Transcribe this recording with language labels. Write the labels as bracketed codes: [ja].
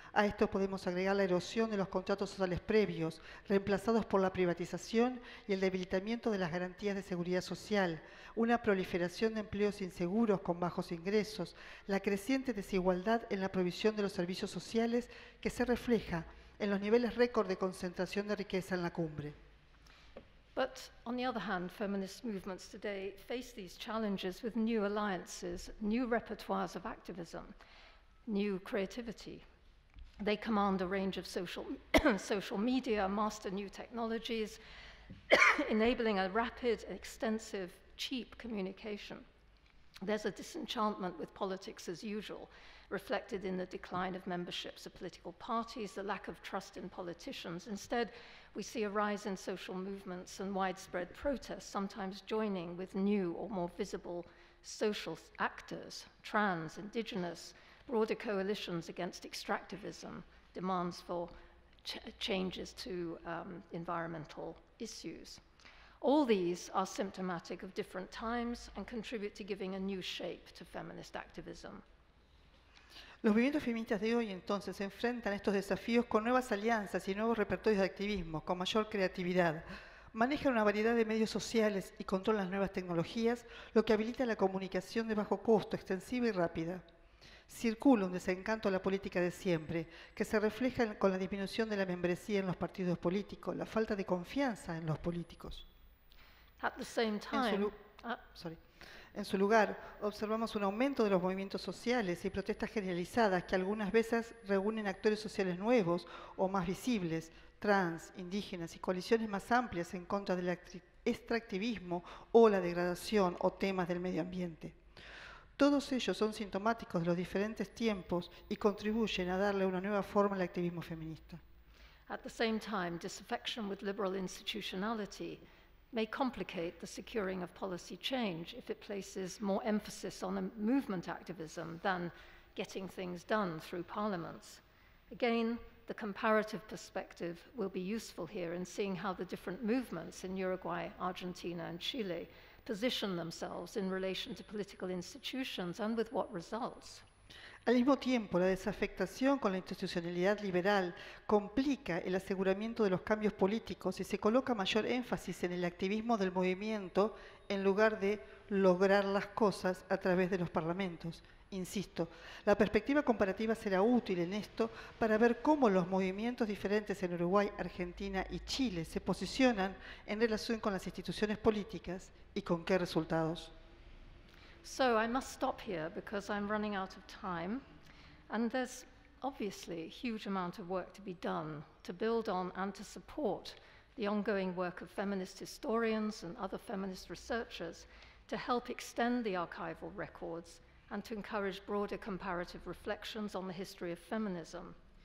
[es] A esto podemos agregar la erosión de los contratos sociales previos, reemplazados por la privatización y el debilitamiento de las garantías de seguridad social, una proliferación de empleos inseguros con bajos ingresos, la creciente desigualdad en la provisión de los servicios sociales que se refleja en los niveles récord de concentración de riqueza en la cumbre. [en] But on the other hand, feminist movements today face these challenges with new alliances, new repertoires of activism, new creativity. They command a range of social media, master new technologies, enabling a rapid, extensive, cheap communication. There's a disenchantment with politics as usual, reflected in the decline of memberships of political parties, the lack of trust in politicians. Instead, we see a rise in social movements and widespread protests, sometimes joining with new or more visible social actors, trans, indigenous, broader coalitions against extractivism, demands for changes to environmental issues. All these are symptomatic of different times and contribute to giving a new shape to feminist activism. [es] Los movimientos feministas de hoy entonces se enfrentan a estos desafíos con nuevas alianzas y nuevos repertorios de activismo, con mayor creatividad. Manejan una variedad de medios sociales y controlan las nuevas tecnologías, lo que habilita la comunicación de bajo costo, extensiva y rápida. Circula un desencanto a la política de siempre, que se refleja con la disminución de la membresía en los partidos políticos, la falta de confianza en los políticos. [en] At the same time, [es] En su lugar, observamos un aumento de los movimientos sociales y protestas generalizadas que algunas veces reúnen actores sociales nuevos o más visibles, trans, indígenas y coaliciones más amplias en contra del extractivismo o la degradación o temas del medio ambiente. Todos ellos son sintomáticos de los diferentes tiempos y contribuyen a darle una nueva forma al activismo feminista. [en] At the same time, disaffection with liberal institutionality may complicate the securing of policy change if it places more emphasis on movement activism than getting things done through parliaments. Again, the comparative perspective will be useful here in seeing how the different movements in Uruguay, Argentina, and Chile position themselves in relation to political institutions and with what results. [es] Al mismo tiempo, la desafectación con la institucionalidad liberal complica el aseguramiento de los cambios políticos y se coloca mayor énfasis en el activismo del movimiento en lugar de lograr las cosas a través de los parlamentos. Insisto, la perspectiva comparativa será útil en esto para ver cómo los movimientos diferentes en Uruguay, Argentina y Chile se posicionan en relación con las instituciones políticas y con qué resultados. [en] So I must stop here because I'm running out of time, and there's obviously a huge amount of work to be done to build on and to support the ongoing work of feminist historians and other feminist researchers to help extend the archival records and to encourage broader comparative reflections on the history of feminism.